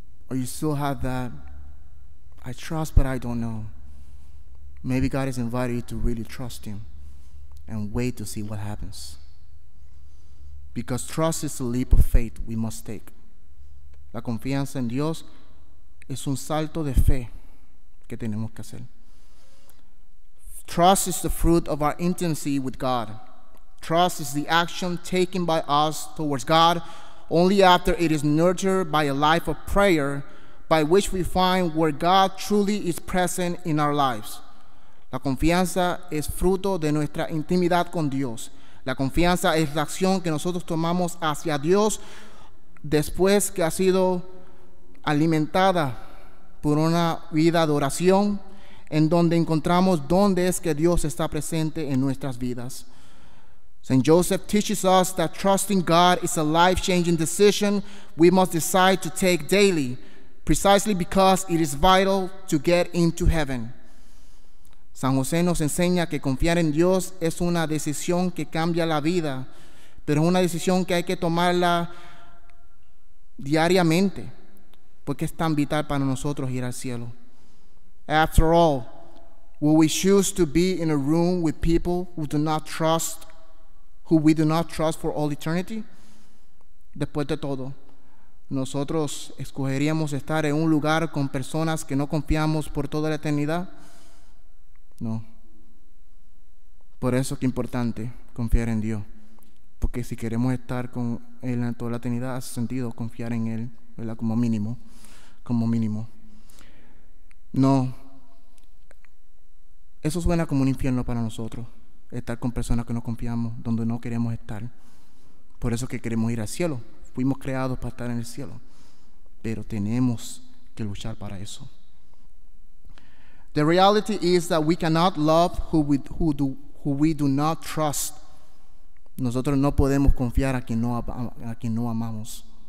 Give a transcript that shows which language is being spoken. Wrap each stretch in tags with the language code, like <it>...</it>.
<en>Or you still have that, I trust but I don't know. Maybe God has invited you to really trust Him and wait to see what happens. Because trust is a leap of faith we must take.</en> <es>La confianza en Dios es un salto de fe que tenemos que hacer.</es> <en>Trust is the fruit of our intimacy with God. Trust is the action taken by us towards God only after it is nurtured by a life of prayer by which we find where God truly is present in our lives.</en> <es>La confianza es fruto de nuestra intimidad con Dios. La confianza es la acción que nosotros tomamos hacia Dios después que ha sido alimentada por una vida de oración en donde encontramos dónde es que Dios está presente en nuestras vidas.</es> <en>Saint Joseph teaches us that trusting God is a life-changing decision we must decide to take daily, precisely because it is vital to get into heaven.</en> <es>San José nos enseña que confiar en Dios es una decisión que cambia la vida, pero es una decisión que hay que tomarla diariamente, porque es tan vital para nosotros ir al cielo.</es> <en>After all, will we choose to be in a room with people who we do not trust for all eternity?</en> <es>Después de todo, ¿nosotros escogeríamos estar en un lugar con personas que no confiamos por toda la eternidad? No. Por eso es que importante confiar en Dios. Porque si queremos estar con Él en toda la eternidad, hace sentido confiar en Él, ¿verdad? Como mínimo. Como mínimo. No. Eso suena como un infierno para nosotros. Estar con personas que no confiamos, donde no queremos estar. Por eso es que queremos ir al cielo. Fuimos creados para estar en el cielo. Pero tenemos que luchar para eso.</es> <en>The reality is that we cannot love who we do not trust.</en> <es>Nosotros no podemos confiar a quien no amamos.</es>